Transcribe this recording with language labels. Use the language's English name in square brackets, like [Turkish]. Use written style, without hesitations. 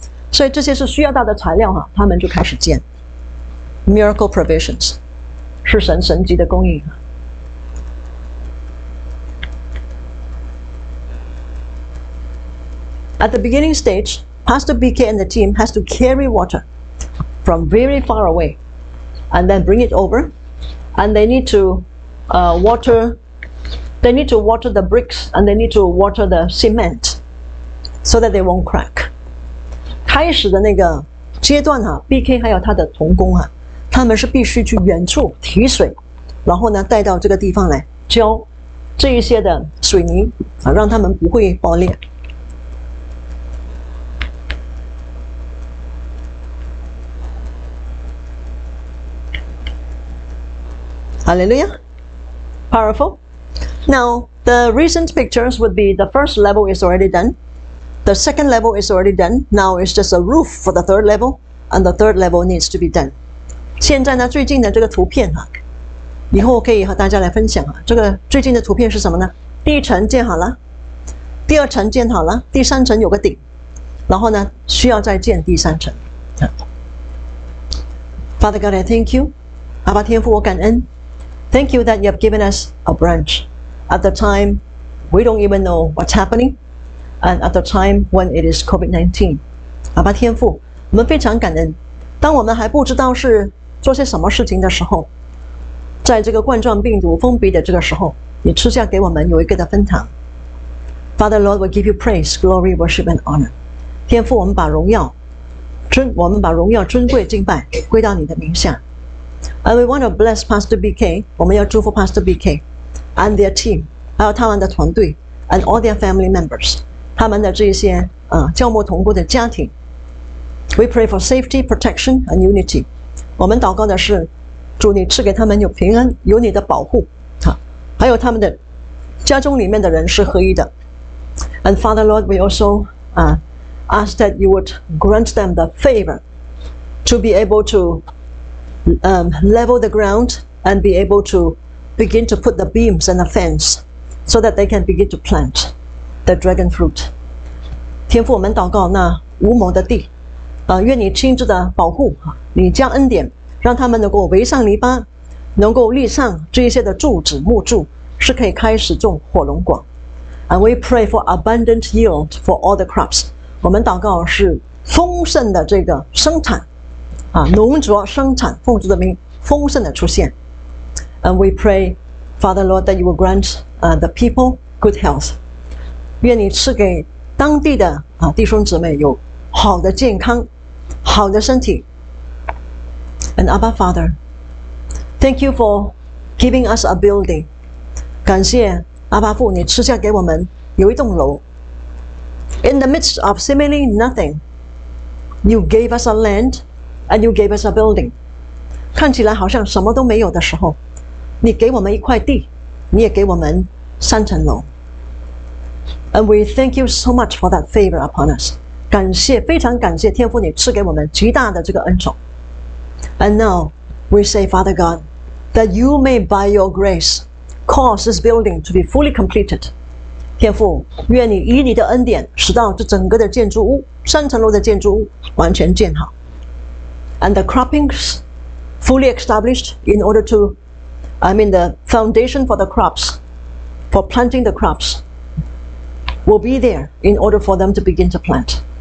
[Chinese] 所以这些是需要到的材料哈，他们就开始建。 [English] Miracle provisions [Chinese] 是神迹的供应。 [English] At the beginning stage, Pastor BK and the team has to carry water from very far away, and then bring it over, and they need to water. They need to water the bricks and they need to water the cement so that they won't crack. [Chinese] 开始的那个阶段啊 ,BK 还有他的同工啊他们是必须去远处提水然后呢带到这个地方来浇这一些的水泥啊让他们不会爆裂。 [English] Hallelujah. Powerful. Now, the recent pictures would be the first level is already done. The second level is already done. Now it's just a roof for the third level, and the third level needs to be done. [Chinese] 现在呢，最近的这个图片哈，以后可以和大家来分享啊。这个最近的图片是什么呢？第一层建好了，第二层建好了，第三层有个顶，然后呢，需要再建第三层。 [English] Father God, I thank you. [Chinese] 阿爸天父，我感恩。 [English] Thank you that you have given us a branch. At the time, we don't even know what's happening. And at the time when it is COVID-19. [Chinese] 阿爸天父，我们非常感恩。当我们还不知道是做些什么事情的时候，在这个冠状病毒封闭的这个时候，你赐下给我们有一个的分堂。 [English] Father, Lord, we give you praise, glory, worship, and honor. [Chinese] 天父，我们把荣耀尊贵敬拜归到你的名下。 [English] And we want to bless Pastor BK, [Chinese] 我们要祝福 [English] Pastor BK. And their team, [Chinese] 还有他们的团队 [English] and all their family members, [Chinese] 他们的这些教牧同工的家庭。 [English] We pray for safety, protection, and unity. [Chinese] 我们祷告的是，主你赐给他们有平安，有你的保护，还有他们的家中里面的人是合一的。 [English] And Father Lord, we also ask that you would grant them the favor to be able to level the ground and be able to begin to put the beams and the fence so that they can begin to plant the dragon fruit. [Chinese] 天父，我们祷告那无谋的地，愿你亲自的保护，你将恩典，让他们能够围上篱笆，能够立上这一些的柱子、木柱，是可以开始种火龙果。 [English] And we pray for abundant yield for all the crops. [Chinese] 我们祷告是丰盛的这个生产，农作生产，奉主的名，丰盛的出现。 [English] And we pray, Father Lord, that you will grant the people good health. [Chinese] 愿你赐给当地的弟兄姊妹有好的健康，好的身体。 [English] And Abba Father, thank you for giving us a building. [Chinese] 感谢阿爸父，你赐下给我们有一栋楼。 [English] In the midst of seemingly nothing, you gave us a land and you gave us a building. [Chinese] 看起来好像什么都没有的时候，你给我们一块地，你也给我们三层楼。 [English] And we thank you so much for that favor upon us. [Chinese] 感谢，非常感谢天父你赐给我们极大的这个恩宠。 [English] And now we say, Father God, that you may by your grace cause this building to be fully completed. [Chinese] 天父，愿你以你的恩典使到这整个的建筑物，三层楼的建筑物完全建好。 [English] And the croppings fully established in order to, the foundation for the crops, for planting the crops,will be there in order for them to begin to plant.